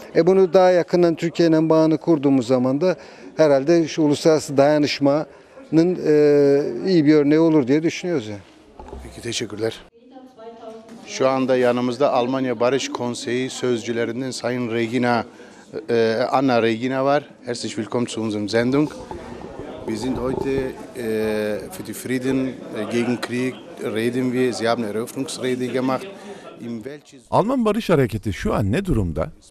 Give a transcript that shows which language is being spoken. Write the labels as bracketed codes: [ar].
[tr] Bunu daha yakından Türkiye'yle bağını kurduğumuz zaman da herhalde şu uluslararası dayanışmanın iyi bir örneği olur diye düşünüyoruz yani. Peki, teşekkürler. Şu anda yanımızda Almanya Barış Konseyi sözcülerinden Sayın Regina Anna Regina var. [de] Herzlich willkommen zu unserem Sendung. Wir sind heute für die Frieden gegen Krieg reden wir. Sie haben Eröffnungsrede gemacht. [tr] Alman Barış Hareketi şu an ne durumda?